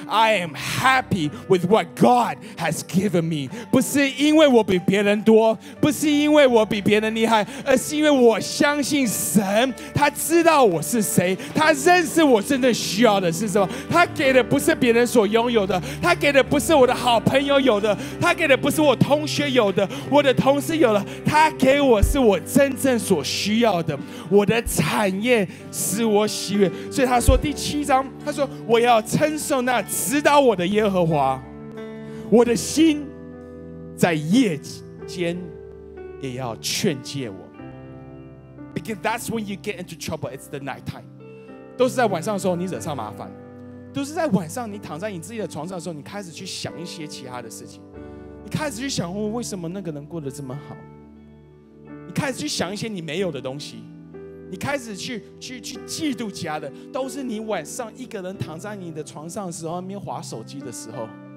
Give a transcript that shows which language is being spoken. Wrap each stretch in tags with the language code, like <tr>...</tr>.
<en>I am happy with what God has given me.</en> <zh>不是因为我比别人多，不是因为我比别人厉害，而是因为我相信神，他知道我是谁，他认识我真正需要的是什么。他给的不是别人所拥有的，他给的不是我的好朋友有的，他给的不是我同学有的，我的同事有的，他给我是我真正所需要的，我的产业使我喜悦。所以他说第七章，他说我要称颂那指导我的耶和华，我的心在夜间也要劝诫我。</zh> <en>Because that's when you get into trouble, it's the night time.</en> <zh>都是在晚上的时候你惹上麻烦，都是在晚上你躺在你自己的床上的时候，你开始去想一些其他的事情，你开始去想为什么那个人过得这么好，你开始去想一些你没有的东西，你开始 去嫉妒其他的，都是你晚上一个人躺在你的床上的时候，那边滑手机的时候。</zh>